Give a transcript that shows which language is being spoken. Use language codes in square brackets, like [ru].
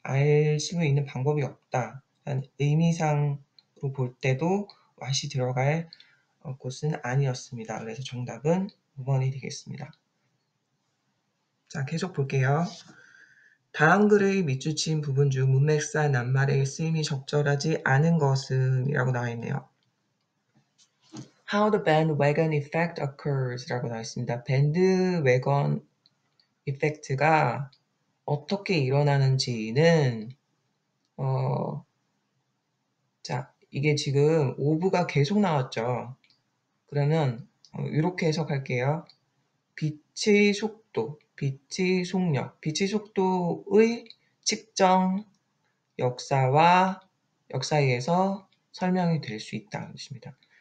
[ko] 알수 있는 방법이 없다. 의미상으로 볼 때도 what이 들어갈 곳은 아니었습니다. 그래서 정답은 5번이 되겠습니다. 자, 계속 볼게요. 다음 글의 밑줄친 부분 중 문맥상 낱말의 쓰임이 적절하지 않은 것은 이라고 나와 있네요. [en] How the bandwagon effect occurs [ko] 라고 나와 있습니다. bandwagon effect가 어떻게 일어나는지는, 자, 이게 지금 오브가 계속 나왔죠. 그러면, 이렇게 해석할게요. 빛의 속도, 빛의 속력, 빛의 속도의 측정 역사와 역사에서 설명이 될수 있다는 뜻입니다.